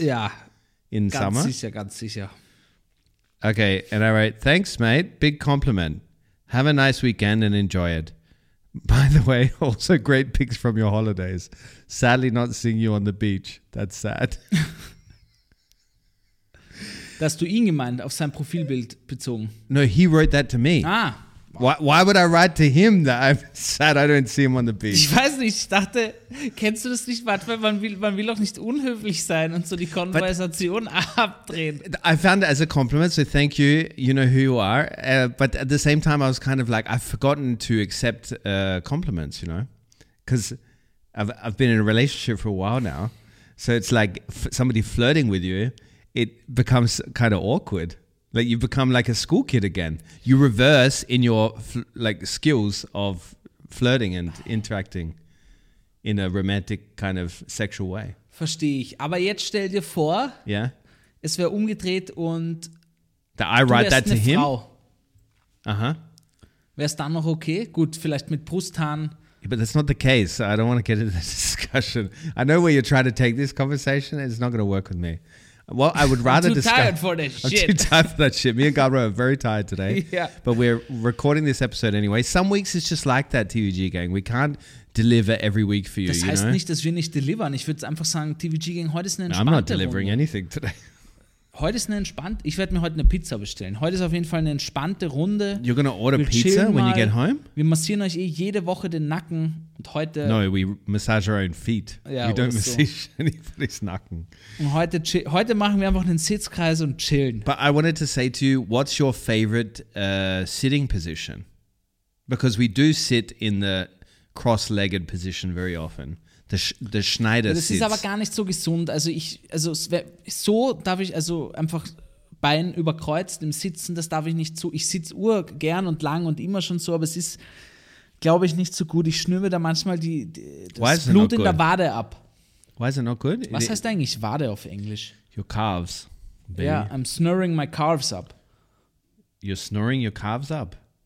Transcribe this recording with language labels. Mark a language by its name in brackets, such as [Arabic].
[English] Yeah. In [German] ganz [English] summer? [German] Sicher, ganz sicher. [English] Okay, and I write, thanks, mate. Big compliment. Have a nice weekend and enjoy it. By the way, also great pics from your holidays. Sadly, not seeing you on the beach. That's sad. [German] Dass du ihn gemeint, auf sein Profilbild bezogen. [English] No, he wrote that to me. Ah. Why would I write to him that I'm sad I don't see him on the beach? [German] Ich weiß nicht, ich dachte, kennst du das nicht? Manchmal, man will auch nicht unhöflich sein und so die Konversation abdrehen. [English] I found it as a compliment, so thank you, you know who you are. But at the same time, I was kind of like, I've forgotten to accept compliments, you know? Because I've been in a relationship for a while now. So it's like somebody flirting with you, it becomes kind of awkward. Like you become like a school kid again. You reverse in your skills of flirting and interacting in a romantic kind of sexual way. [German] Verstehe ich. Aber jetzt stell dir vor, [English] yeah, [German] es wäre umgedreht und [English] that I write [German] du wärst [English] that to [German] eine Frau. Uh-huh. Wär's dann noch okay? Gut, vielleicht mit Brusthaaren. [English] Yeah, but that's not the case. I don't want to get into this discussion. I know where you're trying to take this conversation. It's not going to work with me. Well, I would rather discuss. I'm too tired for this shit. I'm too tired for that shit. Me and Gabriel are very tired today. Yeah. But we're recording this episode anyway. Some weeks it's just like that, TVG Gang. We can't deliver every week for you. [German] Das heißt nicht, dass wir nicht deliveren. Ich würde einfach sagen, TVG Gang, heute ist eine entspannte Runde. [English] I'm not delivering anything today. [German] Heute ist eine entspannte. Ich werde mir heute eine Pizza bestellen. Heute ist auf jeden Fall eine entspannte Runde. [English] You're gonna order pizza when you get home? [German] Wir massieren euch jede Woche den Nacken und heute. [English] No, we massage our own feet. Yeah, we don't massage anybody's Nacken. [German] Und heute machen wir einfach einen Sitzkreis und chillen. [English] But I wanted to say to you, what's your favorite sitting position? Because we do sit in the cross-legged position very often. [German] Der Schneider sitzt. Das ist aber gar nicht so gesund. Also ich, also so darf ich, also einfach Bein überkreuzt im Sitzen, das darf ich nicht so. Ich sitze urgern und lang und immer schon so, aber es ist, glaube ich, nicht so gut. Ich schnürbe da manchmal das Blut in der Wade ab. [English] Why is it not good? [German] Was heißt eigentlich Wade auf Englisch? [English] Your calves. Ja, yeah, I'm snoring my calves up. You're snoring your calves up?